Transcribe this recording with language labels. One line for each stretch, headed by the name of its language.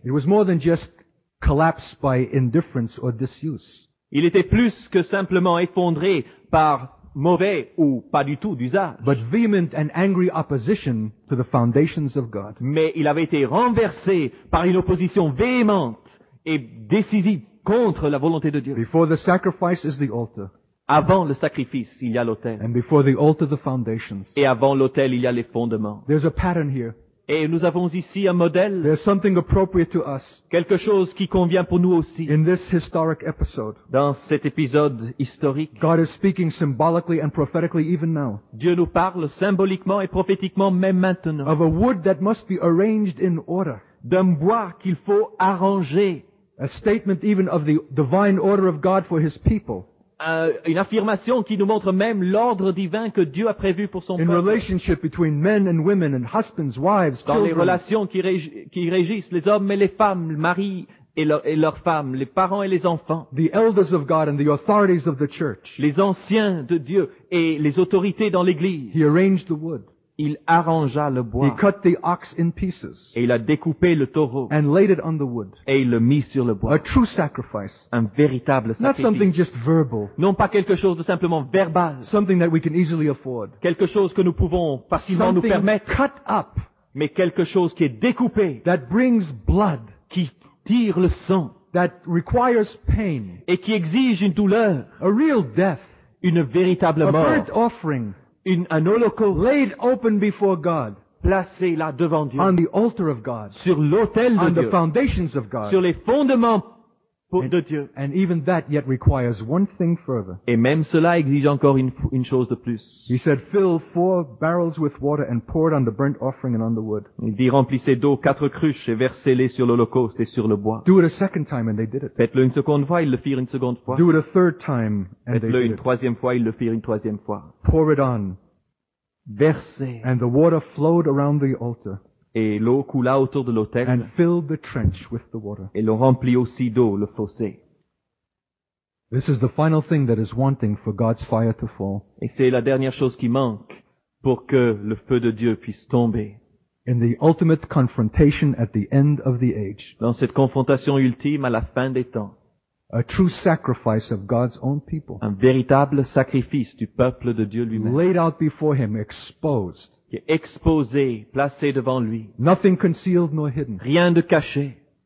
English: It was more than just collapse by indifference or disuse.
French: Il était plus que simplement effondré par mauvais ou pas du tout d'usage.
English: But vehement and angry opposition to the foundations of God.
French: Mais il avait été renversé par une opposition véhémente et décisive contre la volonté de Dieu.
English: Before the sacrifice is the altar.
French: Avant le sacrifice, il y a l'autel.
English: And before the altar, the foundations.
French: Et avant l'autel, il y a les fondements.
English: There's a pattern here.
French: Et nous avons ici un modèle.
English: There's something appropriate to us.
French: Quelque chose qui convient pour nous aussi.
English: In this historic episode.
French: Dans cet épisode historique.
English: God is speaking symbolically and prophetically even now.
French: Dieu nous parle symboliquement et prophétiquement même maintenant.
English: Of a wood that must be arranged in order.
French: D'un bois qu'il faut arranger.
English: A statement even of the divine order of God for his people.
French: Une affirmation qui nous montre même l'ordre divin que Dieu a prévu pour son peuple. Dans les relations qui régissent les hommes et les femmes, le mari et leurs femmes, les parents et les enfants.
English: The elders of God and the authorities of the church.
French: Les anciens de Dieu et les autorités dans l'Église.
English: He arranged the wood.
French: Il arrangea le bois.
English: He cut the ox in pieces.
French: Et il a découpé le taureau.
English: And laid it on the wood.
French: Et il le mit sur le bois.
English: A true sacrifice.
French: Un véritable sacrifice.
English: Not something just verbal.
French: Non pas quelque chose de simplement verbal.
English: Something that we can easily afford.
French: Quelque chose que nous pouvons facilement
English: something
French: nous permettre.
English: Cut up.
French: Mais quelque chose qui est découpé.
English: That brings blood.
French: Qui tire le sang.
English: That requires pain.
French: Et qui exige une douleur.
English: A real death.
French: Une véritable
English: a
French: mort.
English: A burnt offering.
French: Un holocauste
English: laid open before God,
French: placé là devant Dieu,
English: on the altar of God,
French: sur l'autel de
English: on
French: Dieu,
English: the foundations of God,
French: sur les fondements de Dieu,
English: and even that yet requires one thing further.
French: Et même cela exige encore une chose de plus.
English: He said, "Fill 4 barrels with water and pour it on the burnt offering and on the wood."
French: Il dit, remplissez d'eau 4 cruches et versez-les sur l'holocauste et sur le bois.
English: Do it a second time and they did it.
French: Faites-le une seconde fois, ils le firent une seconde fois.
English: Do it a third time and they did it.
French: Faites-le une troisième fois, ils le firent une troisième fois.
English: Pour it on.
French: Versez.
English: And the water flowed around the altar.
French: Et l'eau coula autour de l'autel.
English: And filled the trench with the water.
French: Et l'on remplit aussi d'eau le fossé.
English: This is the final thing that is wanting for God's fire to fall.
French: Et c'est la dernière chose qui manque pour que le feu de Dieu puisse tomber.
English: In the ultimate confrontation at the end of the age.
French: Dans cette confrontation ultime à la fin des temps.
English: A true sacrifice of God's own people.
French: Un véritable sacrifice du peuple de Dieu lui-même.
English: Laid out before him, exposed.
French: Qui est exposé, placé devant lui.
English: Nothing concealed nor hidden.
French: Rien de caché.